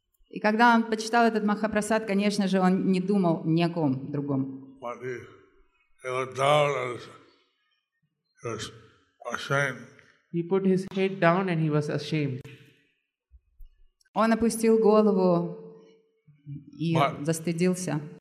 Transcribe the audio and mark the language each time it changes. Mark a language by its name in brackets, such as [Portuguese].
[Russian] И когда он почитал этот Махапрасад, конечно же, он не думал ни о ком другом. [English] He looked down and he was ashamed. He put his head down and he was ashamed. [Russian] Он опустил голову и застыдился.